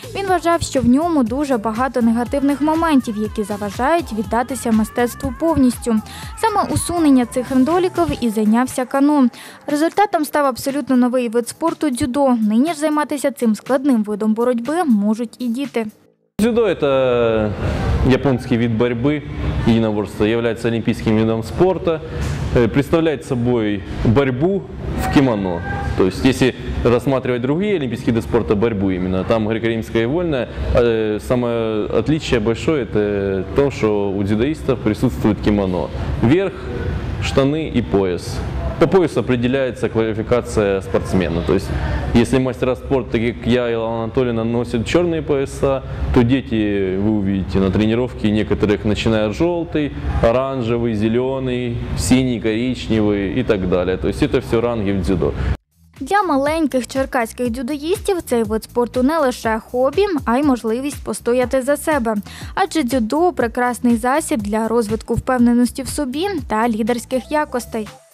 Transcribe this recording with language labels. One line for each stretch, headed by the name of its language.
Ukrainian: Він вважав, що в ньому дуже багато негативних моментів, які заважають віддатися мистецтву повністю. Саме усунення цих недоліків і зайнявся Кано. Результатом став абсолютно новий вид спорту – дзюдо. Нині ж займатися цим складним видом боротьби можуть і діти. Дзюдо – це японський вид боротьби,
Russian: единоборство является олимпийским видом спорта, представляет собой борьбу в кимоно. То есть, если рассматривать другие олимпийские виды спорта, борьбу именно, там греко-римская и вольная, самое отличие большое – это то, что у дзюдоистов присутствует кимоно. Верх, штаны и пояс. По поясу определяется квалификация спортсмена. То есть, если мастера спорта, такие как я и Илана Анатольевна, носят черные пояса, то дети, вы увидите на тренировке, некоторых начинают желтый, оранжевый, зеленый, синий, коричневый и так далее. То есть, это все ранги в дзюдо.
Ukrainian: Для маленьких черкаських дзюдоїстів цей вид спорту не лише хобі, а й можливість постояти за себе. Адже дзюдо – прекрасний засіб для розвитку впевненості в собі та лідерських якостей.